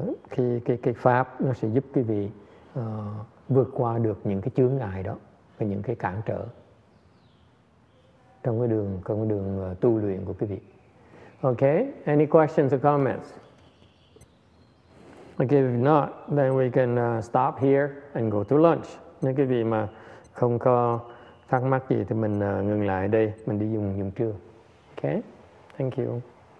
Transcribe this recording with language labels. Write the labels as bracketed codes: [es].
[vi] Khi cái pháp nó sẽ giúp quý vị vượt qua được những cái chướng ngại đó và những cái cản trở trong cái đường tu luyện của quý vị. [en] Okay, any questions or comments? Okay, if not, then we can stop here and go to lunch. [vi] Nếu quý vị mà không có thắc mắc gì thì mình ngừng lại đây, mình đi dùng trưa. [en] Okay, thank you.